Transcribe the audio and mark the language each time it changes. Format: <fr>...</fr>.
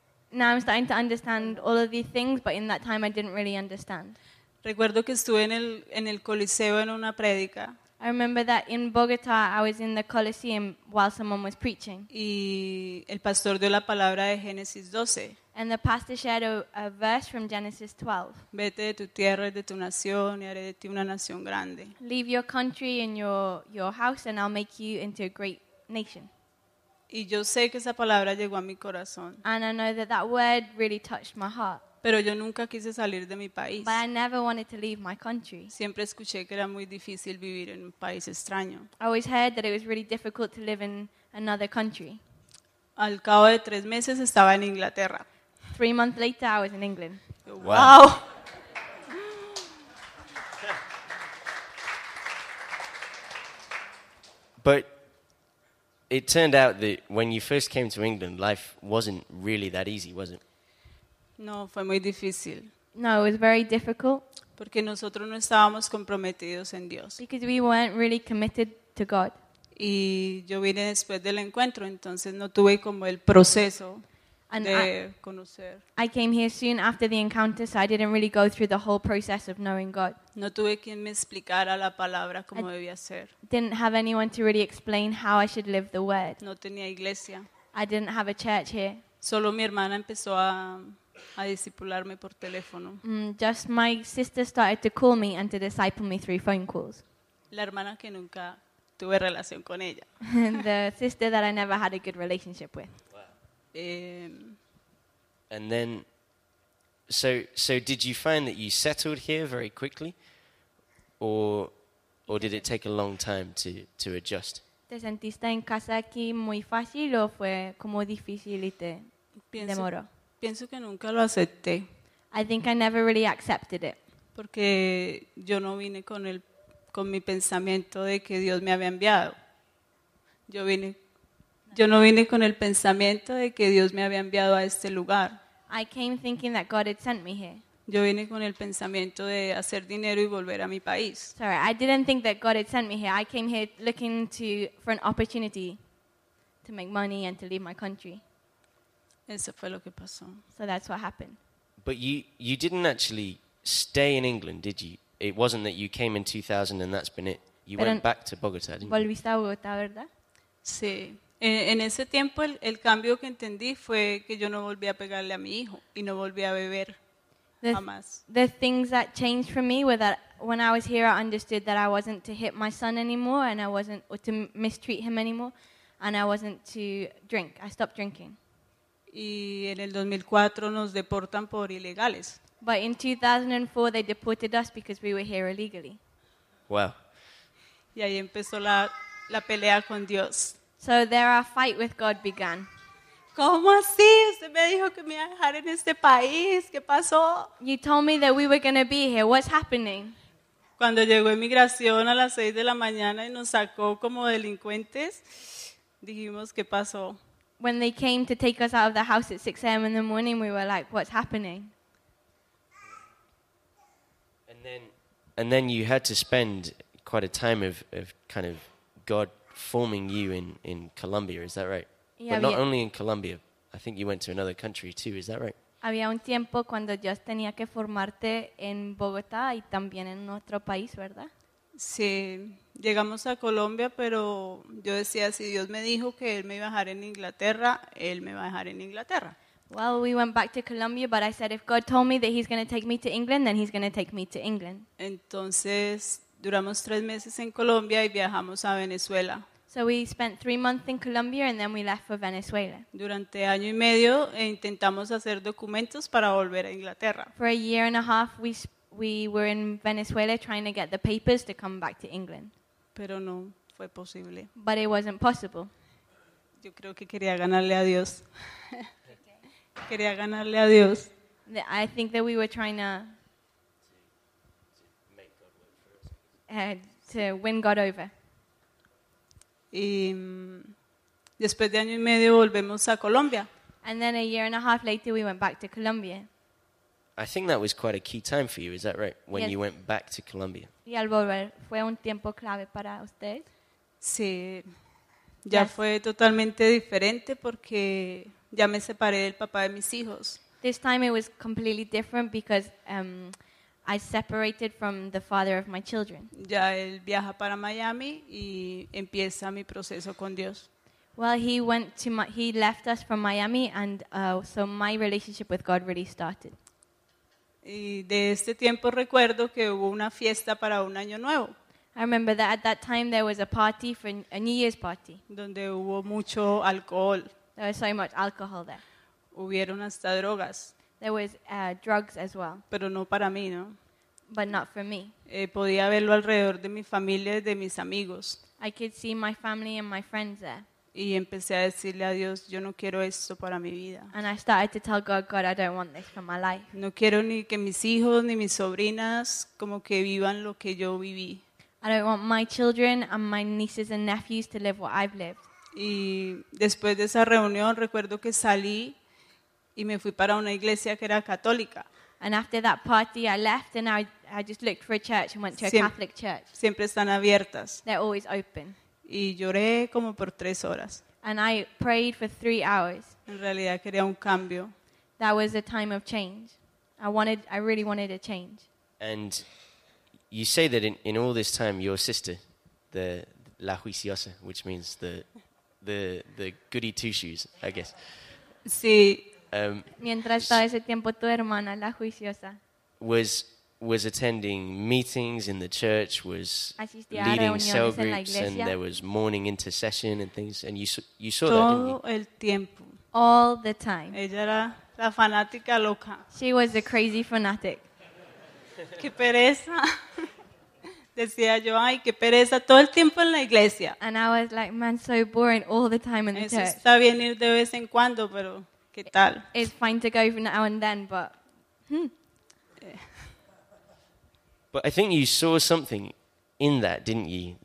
<en>Now I'm starting to understand all of these things, but in that time I didn't really understand.</en> <es>Recuerdo que estuve en el Coliseo en una prédica.</es> <en>I remember that in Bogotá I was in the Coliseum while someone was preaching.</en> <es>Y el pastor dio la palabra de Génesis 12.</es> <en>And the pastor shared a verse from Genesis 12.</en> <es>Vete de tu tierra y de tu nación y haré de ti una nación grande.</es> <en>Leave your country and your house and I'll make you into a great nation.</en> <es>Y yo sé que esa palabra llegó a mi corazón.</es> <en>And I know that word really touched my heart.</en> <es>Pero yo nunca quise salir de mi país.</es> <en>But I never wanted to leave my country.</en> <es>Siempre escuché que era muy difícil vivir en un país extraño.</es> <en>I always heard that it was really difficult to live in another country.</en> <es>Al cabo de 3 meses estaba en Inglaterra.</es> <en>3 months later, I was in England. Wow. But it turned out that when you first came to England, life wasn't really that easy, was it?</en> <es>No, fue muy difícil.</es> <en>No, it was very difficult.</en> <es>Porque nosotros no estábamos comprometidos en Dios.</es> <en>Because we weren't really committed to God.</en> <es>Y yo vine después del encuentro, entonces no tuve como el proceso.</es> <en>And I came here soon after the encounter, so I didn't really go through the whole process of knowing God.</en> <es>No tuve quien me explicara la palabra como debía ser.</es> <en>Didn't have anyone to really explain how I should live the word.</en> <es>No tenía iglesia.</es> <en>I didn't have a church here.</en> <es>Solo mi hermana empezó a discipularme por teléfono.</es> <en>Just my sister started to call me and to disciple me through phone calls.</en> <es>La hermana que nunca tuve relación con ella.</es> <en>The sister that I never had a good relationship with. And then, so did you find that you settled here very quickly, or did it take a long time to adjust?</en> <es>¿Te sentiste en casa aquí muy fácil o fue como difícil y te demoró? Pienso que nunca lo acepté.</es> <en>I think I never really accepted it.</en> <es>Porque yo no vine con mi pensamiento de que Dios me había enviado. Yo no vine con el pensamiento de que Dios me había enviado a este lugar.</es> <en>I came thinking that God had sent me here.</en> <es>Yo vine con el pensamiento de hacer dinero y volver a mi país.</es> <en>Sorry, I didn't think that God had sent me here. I came here looking for an opportunity to make money and to leave my country.</en> <es>Eso fue lo que pasó.</es> <en>So that's what happened. But you didn't actually stay in England, did you? It wasn't that you came in 2000 and that's been it. You</en> <es>Pero</es> <en>went back to Bogotá, didn't you?</en> <es>Volviste a Bogotá, ¿verdad? Sí. En ese tiempo el cambio que entendí fue que yo no volví a pegarle a mi hijo y no volví a beber jamás.</es> <en>The things that changed for me were that when I was here I understood that I wasn't to hit my son anymore and I wasn't or to mistreat him anymore and I wasn't to drink. I stopped drinking.</en> <es>Y en el 2004 nos deportan por ilegales.</es> <en>But in 2004 they deported us because we were here illegally. Wow.</en> <es>Y ahí empezó la pelea con Dios.</es> <en>So there our fight with God began.</en> <es>¿Cómo así? Usted me dijo que me iba a dejar en este país. ¿Qué pasó?</es> <en>You told me that we were going to be here. What's happening?</en> <es>Cuando llegó inmigración a las 6 de la mañana y nos sacó como delincuentes, dijimos, ¿qué pasó?</es> <en>When they came to take us out of the house at 6 a.m. in the morning, we were like, what's happening? And then you had to spend quite a time of kind of God forming you in Colombia, is that right? Yeah, but not only in Colombia, I think you went to another country too, is that right?</en> <es>Había un tiempo cuando yo tenía que formarte en Bogotá y también en otro país, ¿verdad? Sí, llegamos a Colombia, pero yo decía, si Dios me dijo que Él me iba a dejar en Inglaterra, Él me va a dejar en Inglaterra.</es> <en>Well, we went back to Colombia, but I said, if God told me that He's going to take me to England, then He's going to take me to England.</en> <es>Entonces, duramos 3 meses en Colombia y viajamos a Venezuela.</es> <en>So we spent 3 months in Colombia and then we left for Venezuela.</en> <es>Durante año y medio intentamos hacer documentos para volver a Inglaterra.</es> <en>For a year and a half, we we were in Venezuela trying to get the papers to come back to England.</en> <es>Pero no fue posible.</es> <en>But it wasn't possible.</en> <es>Yo creo que quería ganarle a Dios. Quería ganarle a Dios.</es> <en>I think that we were trying to to win God over.</en> <es>Y después de año y medio volvemos a Colombia.</es> <en>And then a year and a half later we went back to Colombia. I think that was quite a key time for you, is that right? When you went back to Colombia.</en> <es>Y al volver fue un tiempo clave para usted. Sí. Ya fue totalmente diferente porque ya me separé del papá de mis hijos.</es> <en>This time it was completely different because I separated from the father of my children.</en> <es>Ya él viaja para Miami y empieza mi proceso con Dios.</es> <en>Well, he left us from Miami, and so my relationship with God really started.</en> <es>Y de este tiempo recuerdo que hubo una fiesta para un año nuevo.</es> <en>I remember that at that time there was a party for a New Year's party.</en> <es>Donde hubo mucho alcohol.</es> <en>There was so much alcohol there.</en> <es>Hubieron hasta drogas.</es> <en>There was drugs as well.</en> <es>Pero no para mí, ¿no?</es> <en>But not for me.</en> <es>Podía verlo alrededor de mi familia y de mis amigos.</es> <en>I could see my family and my friends there.</en> <es>Y empecé a decirle a Dios, yo no quiero esto para mi vida.</es> <en>And I started to tell God, God, I don't want this for my life.</en> <es>No quiero ni que mis hijos ni mis sobrinas como que vivan lo que yo viví.</es> <en>I don't want my children and my nieces and nephews to live what I've lived.</en> <es>Y después de esa reunión recuerdo que salí y me fui para una iglesia que era católica.</es> <en>And after that party I left and I just looked for a church and went to a Catholic church.</en> <es>Siempre están abiertas.</es> <en>They're always open.</en> <es>Y lloré como por 3 horas.</es> <en>And I prayed for 3 hours.</en> <es>En realidad quería un cambio.</es> <en>That was a time of change. I really wanted a change. And you say that in all this time, your sister, the la juiciosa, which means the goody two shoes, I guess.</en> <es>Sí. Mientras todo ese tiempo tu hermana la juiciosa</es> <en>was attending meetings in the church, was</en> <es>asistía</es> <en>leading</en> <es>reuniones</es> <en>cell groups,</en> <es>en la iglesia.</es> <en>And there was morning intercession and things, and you saw</en> <es>todo Todo el tiempo.</es> <en>All the time.</en> <es>Ella era la fanática loca.</es> <en>She was the crazy fanatic.</en> <es>Qué pereza, decía yo. Ay, qué pereza, todo el tiempo en la iglesia.</es> <en>And I was like, man, so boring all the time in the church.</en> <es>Eso está bien ir de vez en cuando, pero ¿qué tal?</es> <en>It's fine to go every now and then, but. But I think you saw something in that, didn't you?</en>